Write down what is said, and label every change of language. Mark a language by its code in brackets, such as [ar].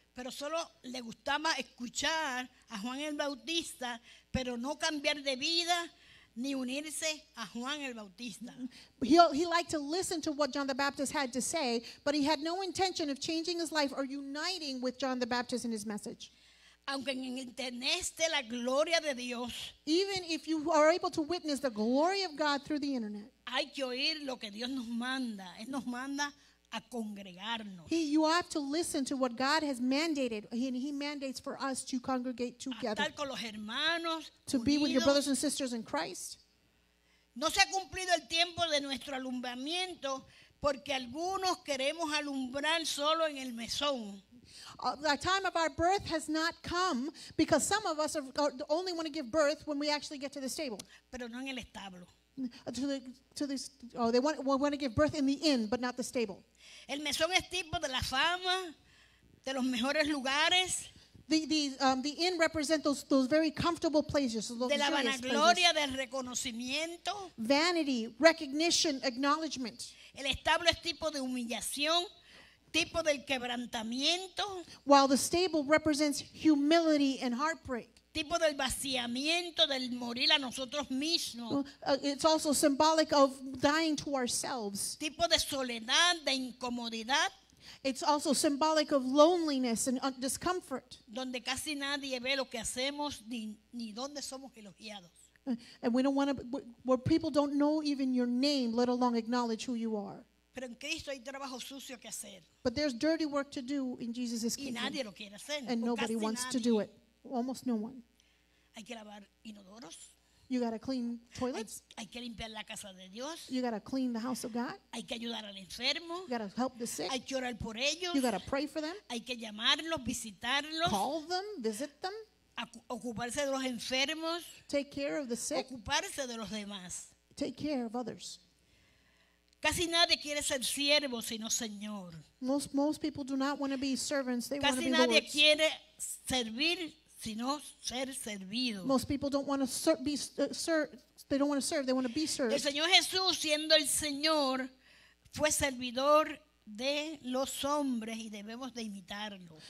[es] Pero solo le gustaba escuchar a Juan el Bautista, pero no cambiar de vida ni unirse a Juan el Bautista. [en] He liked to listen to what John the Baptist had to say, but he had no intention of changing his life or uniting with John the Baptist in his message. [es] Aunque en internet esté la gloria de Dios, [en] even if you are able to witness the glory of God through the internet, [es] hay que oír lo que Dios nos manda. Él nos manda a congregarnos. [en] You have to listen to what God has mandated, and He mandates for us to congregate together. [es] A estar con los hermanos, [en] to be with your brothers and sisters in Christ. [es] No se ha cumplido el tiempo de nuestro alumbramiento porque algunos queremos alumbrar solo en el mesón. [en] The time of our birth has not come because some of us only want to give birth when we actually get to the stable. [es] Pero no en el establo. [en] They want to give birth in the inn, but not the stable. [es] El mesón es tipo de la fama, de los mejores lugares. [en] The inn represents those very comfortable places, those [es] de la vanagloria, del reconocimiento. [en] Vanity, recognition, acknowledgement. [es] El establo es tipo de humillación. Tipo del quebrantamiento. [en] While the stable represents humility and heartbreak. [es] Tipo del vaciamiento, del morir a nosotros mismos. [en] It's also symbolic of dying to ourselves. [es] Tipo de soledad, de incomodidad. [en] It's also symbolic of loneliness and discomfort. [es] Donde casi nadie ve lo que hacemos ni dónde somos elogiados. [en] And we don't want to, where people don't know even your name, let alone acknowledge who you are. [es] Pero en Cristo hay trabajo sucio que hacer. [en] But there's dirty work to do in Jesus' kingdom. [es] Y nadie lo quiere hacer. [en] And nobody wants [es] nadie. [en] To do it. Almost no one. [es] Hay que lavar inodoros. [en] You gotta clean toilets. [es] Hay que limpiar la casa de Dios. [en] You gotta clean the house of God. [es] Hay que ayudar al enfermo. [en] You gotta help the sick. [es] Hay que orar por ellos. [en] You gotta pray for them. [es] Hay que llamarlos, visitarlos. [en] Call them, visit them. [es] Ocuparse de los enfermos. [en] Take care of the sick. [es] Ocuparse de los demás. [en] Take care of others. [es] Casi nadie quiere ser siervo sino señor. [en] Most people do not want to be servants, they [es] casi [en] want to be lords. [es] Casi nadie quiere servir sino ser servido. [en] Most people don't want to they don't want to serve, they want to be served. [es] El Señor Jesús, siendo el Señor, fue servidor de los hombres y debemos de imitarlo.